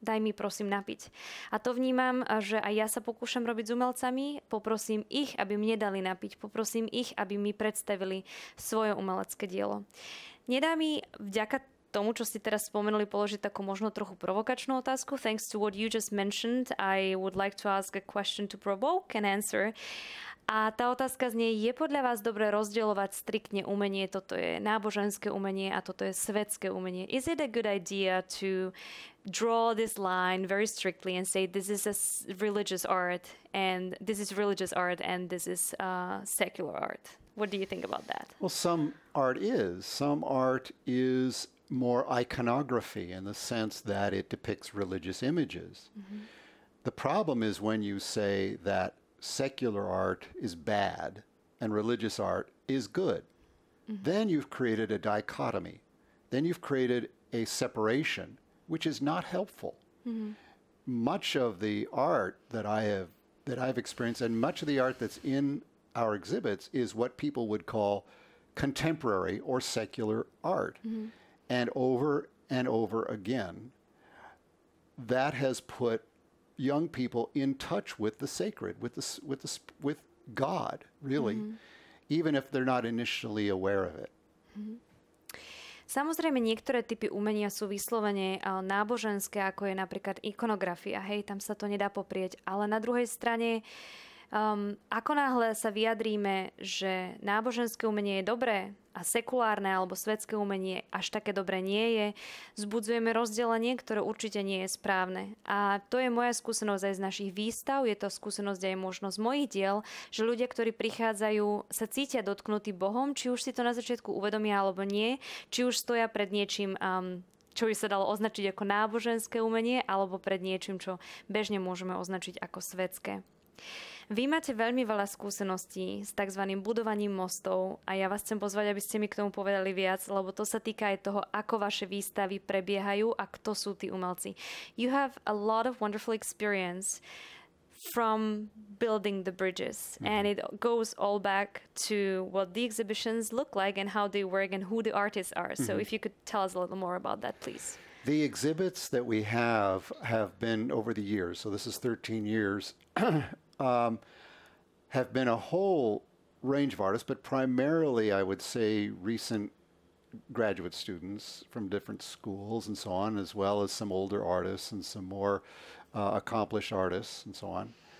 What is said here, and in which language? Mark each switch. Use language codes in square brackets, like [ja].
[sk] Daj mi prosím napiť. A to vnímam, že aj ja sa pokúšam robiť s umelcami. Poprosím ich, aby mne dali napiť. Poprosím ich, aby mi predstavili svoje umelecké dielo. Nedá mi vďaka tomu, čo ste teraz spomenuli, položiť takú možno trochu provokačnú otázku. [en] Thanks to what you just mentioned, I would like to ask a question to provoke an answer. [sk] A tá otázka znie, je podľa vás dobre rozdeľovať striktne umenie, toto je náboženské umenie a toto je svetské umenie? [en] Is it a good idea to draw this line very strictly and say this is a religious art and this is religious art and this is secular art? What do you think about that? Well, some art is more iconography in the sense that it depicts religious images. Mm-hmm. The problem is when you say that secular art is bad and religious art is good. Mm-hmm. Then you've created a dichotomy. Then you've created a separation, which is not helpful. Mm-hmm. Much of the art that I've experienced and much of the art that's in our exhibits is what people would call contemporary or secular art. Mm-hmm. And over again, that has put young people in touch with the sacred, with God, really, mm-hmm. even if they're not initially aware of it. [sk] Samozrejme, niektoré typy umenia sú vyslovene náboženské, ako je napríklad ikonografia. Hej, tam sa to nedá poprieť. Ale na druhej strane, ako náhle sa vyjadríme, že náboženské umenie je dobré, a sekulárne alebo svetské umenie až také dobre nie je, vzbudzujeme rozdelenie, ktoré určite nie je správne. A to je moja skúsenosť aj z našich výstav, je to skúsenosť aj možno z mojich diel, že ľudia, ktorí prichádzajú, sa cítia dotknutí Bohom, či už si to na začiatku uvedomia alebo nie, či už stoja pred niečím, čo by sa dalo označiť ako náboženské umenie, alebo pred niečím, čo bežne môžeme označiť ako svetské. Vy máte veľmi veľa skúseností s tzv. Budovaním mostov a ja vás chcem pozvať, aby ste mi k tomu povedali viac, lebo to sa týka aj toho, ako vaše výstavy prebiehajú a kto sú tí umelci. [en] You have a lot of wonderful experience from building the bridges. Mm-hmm. And it goes all back to what the exhibitions look like and how they work and who the artists are. Mm-hmm. So if you could tell us a little more about that, please. The exhibits that we have been over the years, so this is 13 years, have been a whole range of artists, but primarily I would say recent graduate students from different schools and so on, as well as some older artists and some more accomplished artists and so on.